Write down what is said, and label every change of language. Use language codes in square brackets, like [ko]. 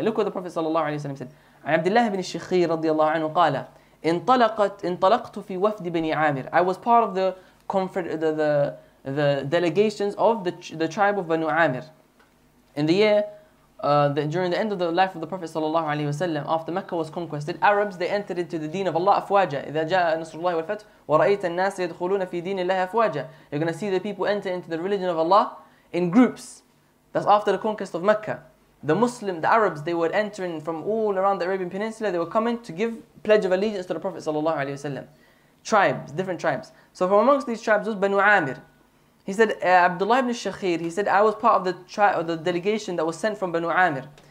[en] Look what the Prophet sallallahu alaihi wasallam said. Abdullah ibn Shikhir radiyallahu anhu [ar] qala, intalaqtu fi wafd bin Amir. [en] I was part of the delegations of the tribe of Banu Amir in the year during the end of the life of the Prophet sallallahu alaihi wasallam, after Mecca was conquered, Arabs, they entered into the deen of Allah afwaja. [ar] إذا جاء نصر الله والفتح ورأيت الناس يدخلون في دين الله أفواجا. [en] You're going to see the people enter into the religion of Allah in groups. That's after the conquest of Mecca. The Arabs, they were entering from all around the Arabian Peninsula. They were coming to give pledge of allegiance to the Prophet sallallahu alaihi wasallam. Tribes, different tribes. So from amongst these tribes was Banu Amir. He said, Abdullah ibn Shakhir, he said, I was part of the delegation that was sent from Banu Amir.